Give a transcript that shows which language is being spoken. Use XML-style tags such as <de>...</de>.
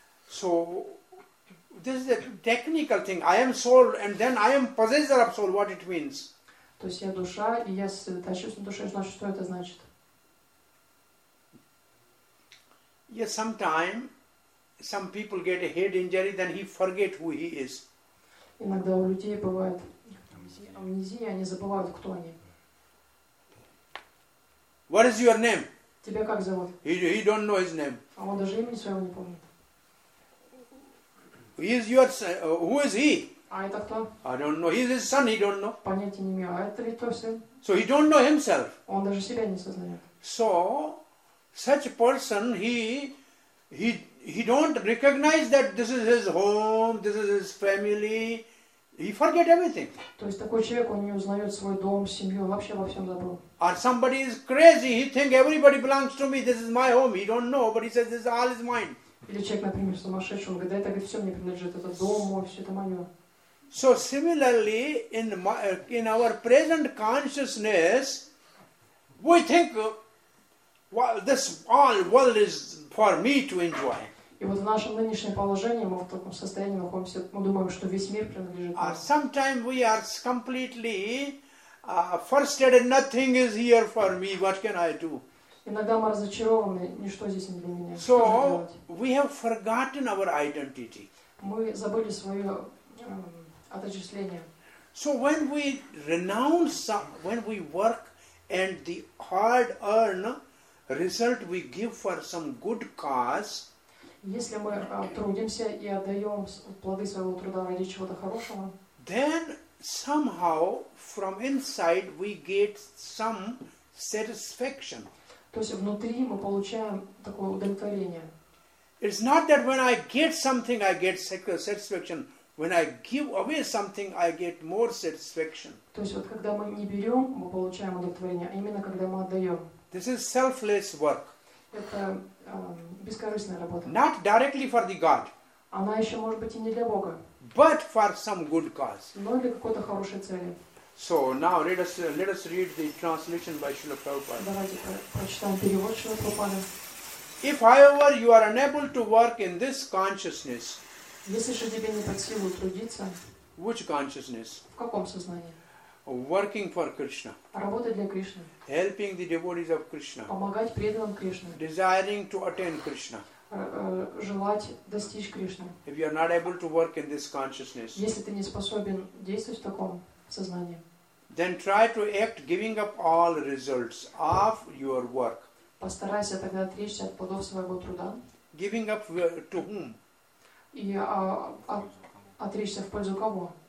<en>So this is a technical thing. I am soul and then I am possessor of soul. What it means?</en> <ru>То есть я душа и я сосредоточусь на душе. Значит, что это значит?</ru> <en>Yes, sometime some people get a head injury, then he forget who he is.</en> <ru>Иногда у людей бывает амнезия, они забывают, кто они.</ru> <en>What is your name?</en> <ru>Тебя как зовут?</ru> <en>He don't know his name.</en> <ru>А он даже имени своего не помнит.</ru> <en>Who is he?</en> <ru>А это кто?</ru> <en>I don't know. He's his son, he don't know.</en> <ru>Понятия не имею. А это ведь твой сын.</ru> <en>So he don't know himself.</en> <ru>Он даже себя не сознает.</ru> <en>So, such a person, he don't recognize that this is his home, this is his family. He forget everything.</en> <ru>То есть такой человек, он не узнает свой дом, семью, вообще во всем забыл.</ru> <en>Or somebody is crazy. He think everybody belongs to me. This is my home. He don't know, but he says this all is mine.</en> <ru>Или человек, например, сумасшедший, он говорит, это все мне принадлежит, это дом, мой, все это мое.</ru> <en>So similarly, in our present consciousness, we think, well, this all world is for me to enjoy.</en> <ru>И вот в нашем нынешнем положении мы в таком состоянии находимся, мы думаем, что весь мир принадлежит нам.</ru> <en>Sometimes we are completely frustrated, nothing is here for me, what can I do?</en> <ru>Иногда мы разочарованы, ничто здесь не для меня.</ru> <en>So, we have forgotten our identity.</en> <ru>Мы забыли свое отождествление.</ru> <en>So when we renounce, when we work and the hard earn result we give for some good cause,</en> <ru>если мы трудимся и отдаем плоды своего труда ради чего-то хорошего,</ru> <en>then somehow from inside we get some satisfaction.</en> <ru>То есть внутри мы получаем такое удовлетворение.</ru> <en>It's not that when I get something I get satisfaction. When I give away something, I get more satisfaction.</en> <ru>То есть вот когда мы не берем, мы получаем удовлетворение, а именно когда мы отдаем.</ru> <en>This is selfless work.</en> <ru>Это бескорыстная работа.</ru> <en>Not directly for the God.</en> <ru>Она еще может быть и не для Бога.</ru> <en>But for some good cause.</en> <ru>Но для какой-то хорошей цели.</ru> <en>So now let us read the translation by Srila Prabhupada.</en> <ru>Давайте прочитаем перевод Шрила Прабхупады.</ru> <en>If, however, you are unable to work in this consciousness.</en> <ru>Если же тебе не под силу трудиться,</ru> <en>which consciousness?</en> <ru>В каком сознании?</ru> <en>Working for Krishna.</en> <ru>Работать для Кришны.</ru> <en>Helping the devotees of Krishna.</en> <ru>Помогать преданным Кришны.</ru> <en>Desiring to attain Krishna.</en> <ru>Желать достичь Кришны.</ru> <en>If you are not able to work in this consciousness,</en> <ru>если ты не способен действовать в таком сознании,</ru> <en>then try to act giving up all results of your work.</en> <ru>Постарайся тогда отречься от плодов своего труда.</ru> <en>Giving up to whom?</en> <ru>И отречься в пользу кого?</ru>